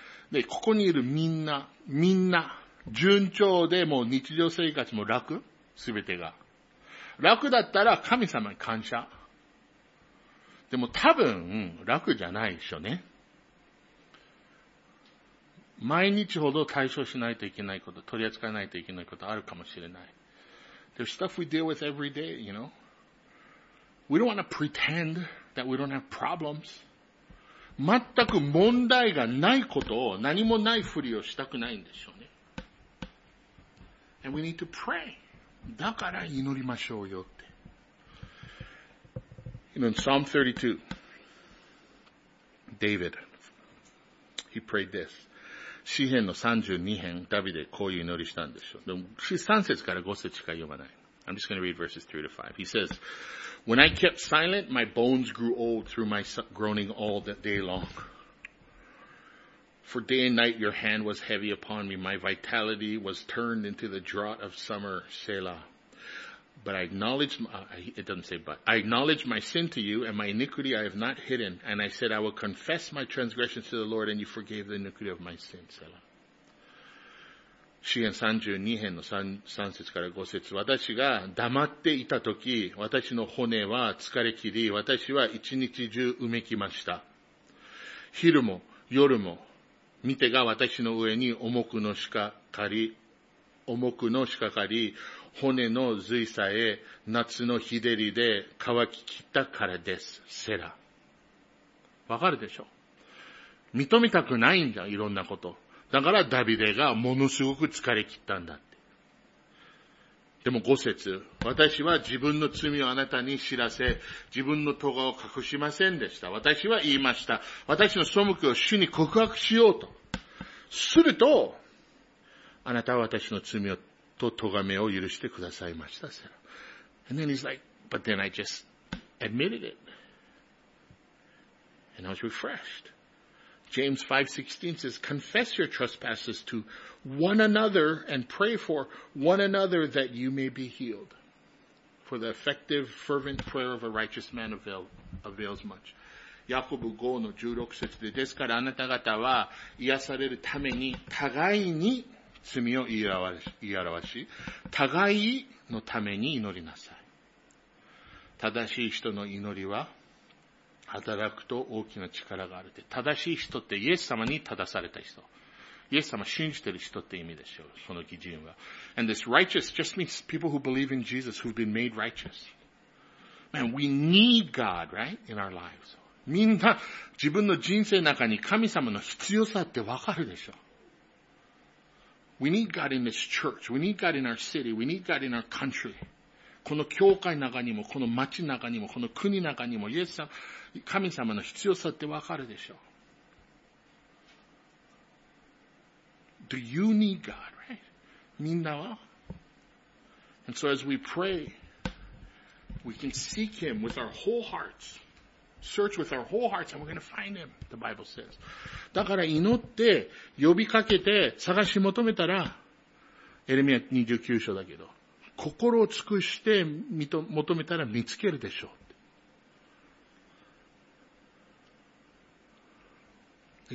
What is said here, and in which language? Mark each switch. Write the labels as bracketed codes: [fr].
[ja] で、ここにいるみんな、みんな、順調でもう日常生活も楽？すべてが。楽だったら神様に感謝。でも多分、楽じゃないでしょうね。毎日ほど対処しないといけないこと、取り扱わないといけないことあるかもしれない。 [en] There's stuff we deal with every day, you know. We don't want to pretend that we don't have problems. [ja] 全く問題がないことを何もないふりをしたくないんでしょうね。 [en] And we need to pray. [ja] だから祈りましょうよって。 [en] And in Psalm 32, David, he prayed this. [ja] 詩編の32編、ダビデこういう祈りしたんでしょう。でも、3節から5節しか読まない。 [en] I'm just gonna read verses 3 to 5. He says, When I kept silent, my bones grew old through my groaning all the day long. For day and night your hand was heavy upon me. My vitality was turned into the drought of summer, Selah. But I acknowledged, it doesn't say but, I acknowledged my sin to you and my iniquity I have not hidden. And I said, I will confess my transgressions to the Lord and you forgave the iniquity of my sin. [ja] 詩編32編の 3節から5節。私が黙っていた時、私の骨は疲れ切り、私は一日中うめきました。昼も夜も、見てが私の上に重くのしかかり、重くのしかかり、骨の髄さえ夏の日照りで乾ききったからです。セラ。わかるでしょ？認めたくないんじゃん、いろんなこと。だからダビデがものすごく疲れ切ったんだって。でも五節、私は自分の罪をあなたに知らせ、自分の咎を隠しませんでした。私は言いました。私の背きを主に告白しようと。すると、あなたは私の罪をと咎めを許してくださいました。 [en] And then he's like, but then I just admitted it. And I was refreshed. James 5:16 says, confess your trespasses to one another and pray for one another that you may be healed. For the effective, fervent prayer of a righteous man avails much. [ja] ヤコブ5の16節で、ですからあなた方は癒されるために互いに罪を言い表し、互いのために祈りなさい。正しい人の祈りは、働くと大きな力があるって。正しい人ってイエス様に正された人。イエス様信じてる人って意味でしょう、その基準は。 [en] And this righteous just means people who believe in Jesus who've been made righteous. Man, we need God, right, in our lives. [ja] みんな、自分の人生の中に神様の必要さってわかるでしょ。 [en] We need God in this church. We need God in our city. We need God in our country. [ja] この教会の中にも、この町の中にも、この国の中にも、イエス様、神様の必要さってわかるでしょう。 [en] Do you need God, right? [ja] みんなは？ [en] And so as we pray, we can seek Him with our whole hearts. Search with our whole hearts and we're going to find Him, the Bible says. [ja] だから祈って、呼びかけて、探し求めたら、エレミア29章だけど、心を尽くして求めたら見つけるでしょう。